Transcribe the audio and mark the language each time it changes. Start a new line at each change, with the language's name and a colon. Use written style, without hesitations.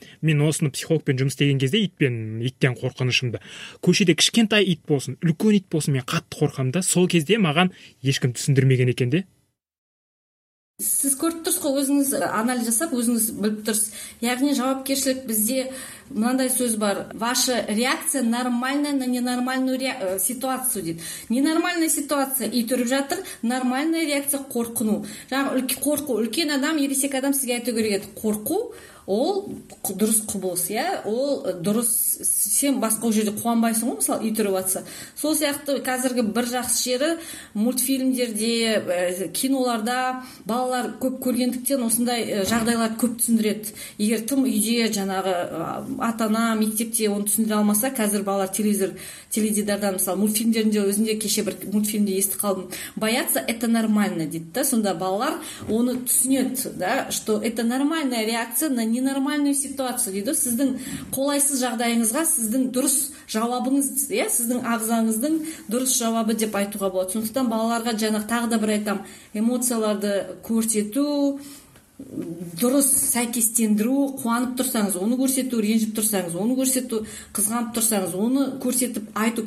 Kazakh: Мен осыны психологпен жұмыс істеген кезде иттен қорқынышымды. Көшеде кішкентай ит болсын, үлкен ит болсын, мен қатты қорқамын да. Сол кезде маған ешкім түсіндірмеген екен де. Сіз көріп тұрсыз ғой, өзіңіз анализ жасап, өзіңіз біліп тұрсыз. Яғни жауапкершілік, бізде мынандай сөз бар.
Russian: Ваша реакция нормальная на ненормальную ситуацию
Kazakh: дейді.
Russian: Ненормальная ситуация
Kazakh: ит үріп жатыр,
Russian: нормальная реакция
Kazakh: қорқыну. Жаңағы қорқу, үлкен адам, ересек адам сізге айту керек еді. Қорқу ол дұрыс құбылыс, иә? Ол дұрыс. Сен басқа жерде қуанбайсың ғой, мысалы, ит үріп жатса. Сол сияқты қазіргі бір жақсы жері мультфильмдерде, киноларда балалар көп көргендіктен осындай жағдайлар көп түсіндіреді. Егер тым үйде жаңағы ата-ана мектепте оны түсіндіре алмаса, қазір балалар теледидардан, мысалы, мультфильмдерінде, өзінде кеше бір мультфильмде естіп қалдым,
Russian: бояться это нормально
Kazakh: дейді да. Сонда балалар оны түсінеді, да,
Russian: что это нормальная реакция на ненормальную ситуацию
Kazakh: дейді. Сіздің қолайсыз жағдайыңызға сіздің дұрыс жауабыңыз, иә, сіздің ағзаңыздың дұрыс жауабы деп айтуға болады. Сондықтан балаларға жаңағы тағы да бір айтам, эмоцияларды көрсету, дұрыс сәйкестендіру, қуанып тұрсаңыз оны көрсету, ренжіп тұрсаңыз оны көрсету, қызғанып тұрсаңыз оны көрсетіп айту.